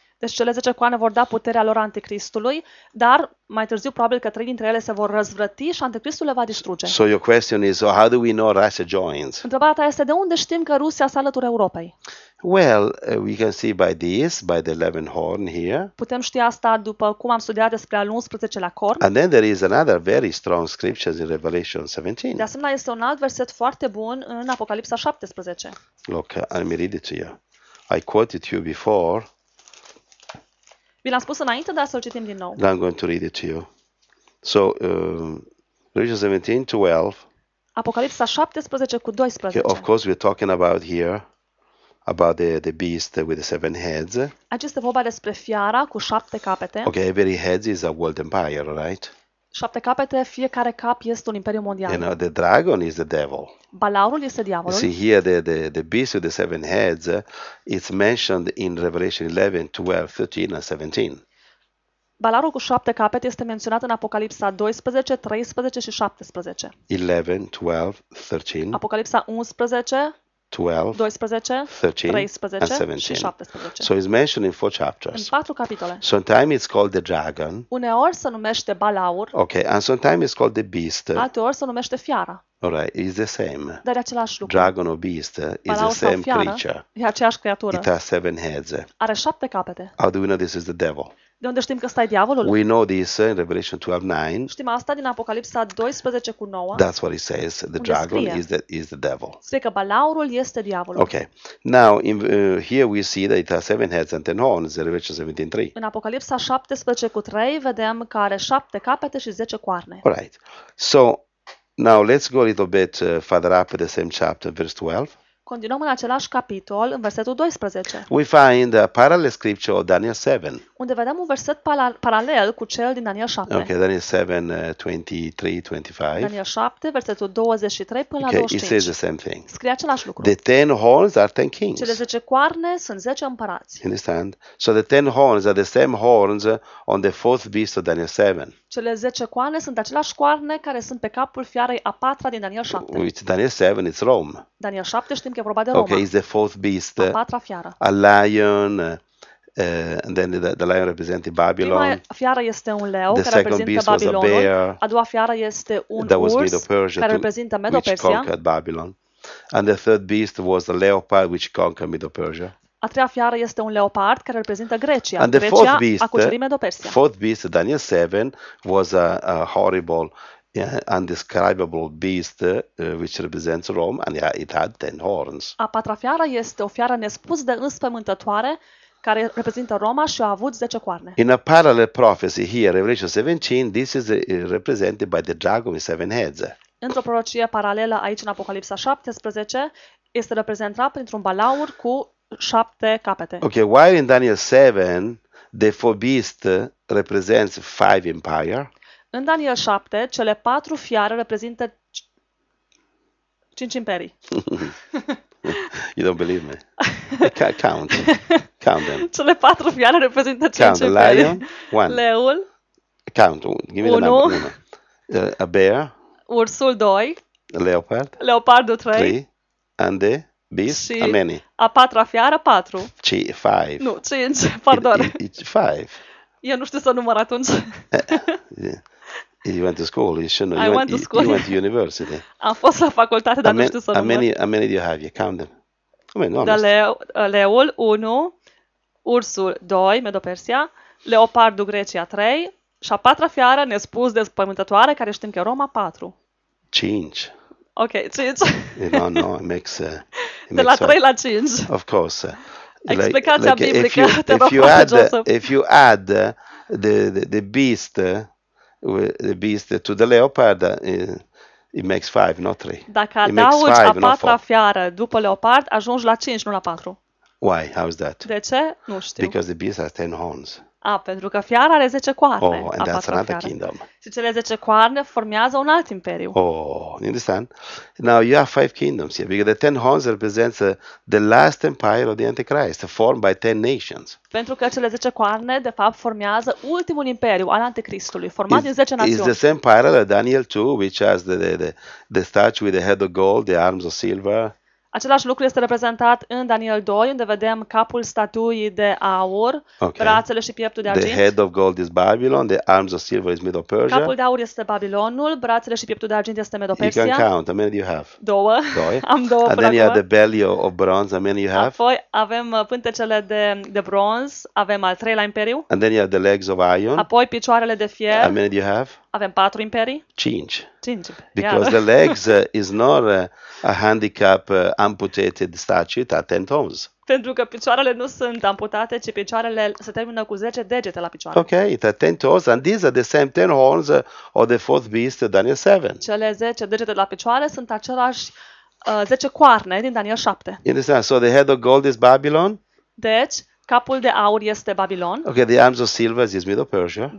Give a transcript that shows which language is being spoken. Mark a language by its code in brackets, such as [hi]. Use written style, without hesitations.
[ro] Deci cele 10 coane vor da puterea lor Anticristului, dar mai târziu probabil că 3 dintre ele se vor răzvrăti și Anticristul le va distruge. [en] So your question is, so how do we know Russia joins? [ro] Întrebarea ta este, de unde știm că Rusia se alătură Europei? [en] Well, we can see by the 11 horn here. [ro] Putem ști asta după cum am studiat despre al 11-lea corn. [en] And then there is another very strong scripture in Revelation 17. [ro] De asemenea, este un alt verset foarte bun în Apocalipsa 17. [en] Look, let me read it to you. I quoted you before. [ro] Vi l-am spus înainte, dar să-l citim din nou. [en] I'm going to read it to you. So, Revelation 17:12. [ro] Apocalipsa 17 cu 12. [en] Okay, of course we're talking about here about the beast with the 7 heads. [ro] Aici este vorba despre fiara cu 7 capete. [en] Okay, every head is a world empire, right? [ro] 7 capete, fiecare cap este un imperiu mondial. [en] You know, the dragon is the devil. [ro] Balaurul este diavolul. [en] See here the beast with the 7 heads, it's mentioned in Revelation 11, 12, 13 and 17. [ro] Balaurul cu 7 capete este menționat în Apocalipsa 12, 13 și 17. [en] 11, 12, 13. [ro] Apocalipsa 11, 12, 12 13, 13 [en] and 17. [ro] Și 17. [en] So it's mentioned in 4 chapters. [ro] În 4 capitole. [en] Sometimes it's called the dragon. [ro] Uneori se numește balaur. [en] Okay, and sometimes it's called the beast. [ro] Alteori se numește fiara. [en] All right, it's the same. [ro] Dar e același lucru. [en] Dragon or beast is [ro] balaur [en] the same creature. [ro] E aceeași creatură. [en] It has 7 heads. [ro] Are 7 capete. [en] How do we know this is the devil? [ro] De unde știm că ăsta e diavolul? [en] We know this in Revelation 12:9. [ro] Știm asta din Apocalipsa 12:9. [en] That's what it says, the dragon is the devil. [ro] Spune că balaurul este diavolul. [en] Okay. Now in here we see that it has 7 heads and 10 horns, Revelation 17:3. [ro] În Apocalipsa 17:3 vedem că are 7 capete și 10 coarne. [en] All right. So now let's go a little bit further up the same chapter, verse 12. [ro] Continuăm în același capitol, în versetul 12. [en] We find a parallel scripture of Daniel 7. [ro] Unde vedem un verset paralel cu cel din Daniel 7. [en] Okay, Daniel 7, 23-25. [ro] Daniel 7, versetul 23 până la 25. [en] Okay, it says the same thing. [ro] Scrie același lucru. [en] The 10 horns are 10 kings. [ro] Cele 10 coarne sunt 10 împărați. [en] Understand? So the 10 horns are the same horns on the fourth beast of Daniel 7. [ro] Cele 10 coarne sunt aceleași coarne care sunt pe capul fiarei a patra din Daniel 7. [en] With Daniel 7, it's Rome. [ro] Daniel 7, știm că e vorba de Roma. [en] Okay, it's the fourth beast. [ro] A patra fiară. [en] A lion. And then the lion represented Babylon. [ro] Prima fiară este un leu care reprezintă Babilonul. A doua fiară este un urs care reprezintă Medo-Persia. [en] And the third beast was the leopard which conquered Medo-Persia. [ro] A treia fiară este un leopard care reprezintă Grecia. [en] And Grecia fourth beast, [ro] a cucerit Medo-Persia. [en] Fourth beast, Daniel 7, was a horrible, yeah, indescribable beast which represents Rome, and yeah, it had 10 horns. [ro] A patra fiară este o fiară nespus de înspăimântătoare care reprezintă Roma și a avut 10 coarne. [en] In a parallel prophecy here, Revelation 17, this is represented by the dragon with 7 heads. [ro] într-o prorocie paralelă aici în Apocalipsa 17, este reprezentat printr-un balaur cu șapte capete. [en] Okay, while in Daniel 7, the four beasts represents five empire. [ro] În Daniel 7, cele patru fiare reprezintă cinci imperii. [en] You don't believe me. Count. Count them. [ro] Cele patru fiare reprezintă cinci imperii. [en] Count the lion. One. [ro] Leul. [en] Count. Give me [ro] unu. [en] The number. A bear. [ro] Ursul 2. [en] Leopard. [ro] Leopardul 3. [en] And the beast. How many? [ro] A patra fiară, patru. [en] Five. [ro] Nu, cinci, pardon. [en] It's five. [ro] Eu nu știu să număr atunci. [en] You went to school, you should know. You went to university. [ro] Am fost la facultate, dar nu știu să număr. [en] How many do you have? You count them. I mean, [ro] da, leul, 1, ursul, 2, Medo-Persia, leopardul, Grecia, 3, și a patra fiară, nespus de spământătoare, care știm că Roma, 4. 5. Ok, 5. [en] No, it makes... [ro] De la 3 la 5. [en] Of course. [ro] Explicația biblică, te rog, [en] Joseph. If you add the beast... The beast to the leopard, it makes five, not three. [ro] Dacă adaugi a patra fiară după leopard, ajungi la cinci, nu la patru. [en] Why? How is that? [ro] De ce? Nu știu. [en] Because the beast has 10 horns. [ro] Ah, pentru că fiara are 10 coarne. [en] Oh, and that's another kingdom. [ro] Și cele 10 coarne formează un alt imperiu. [en] Oh, you understand? Now you have five kingdoms here, because the 10 horns represents the last empire of the Antichrist, formed by 10 nations. [ro] Pentru că cele 10 coarne, de fapt, formează ultimul imperiu al Antichristului, format din 10 națiuni. [en] It's the same parallel, Daniel 2, which has the statue with the head of gold, the arms of silver. [ro] Același lucru este reprezentat în Daniel 2, unde vedem capul statuii de aur, okay. Brațele și pieptul de argint. [en] The head of gold is Babylon, the arms of silver is Medo-Persia. [ro] Capul de aur este Babilonul, brațele și pieptul de argint este Medo-Persia. [en] You can count. How many do you have? [ro] Două. Doi. Am două. [en] And then you have the belly of bronze. How many you have? [ro] Apoi avem pântecele de bronz, avem al treilea imperiu. [en] And then you have the legs of iron. [ro] Apoi picioarele de fier. [en] How many do you have? [ro] Avem patru imperii. Cinci. Cinci. [en] Because the legs is not a handicap amputated statue at 10 toes. [ro] Pentru că picioarele nu sunt amputate, ci picioarele se termină cu 10 degete la picioare. [en] Okay, it at 10 toes, and these are the same 10 horns of the fourth beast, Daniel 7. [ro] Cele 10 degete de la picioare sunt același 10 coarne din Daniel 7. [en] You understand? So the head of gold is Babylon? [ro] Deci, capul de aur este Babilon. [en] Okay, the arms of silver is Medo-Persia.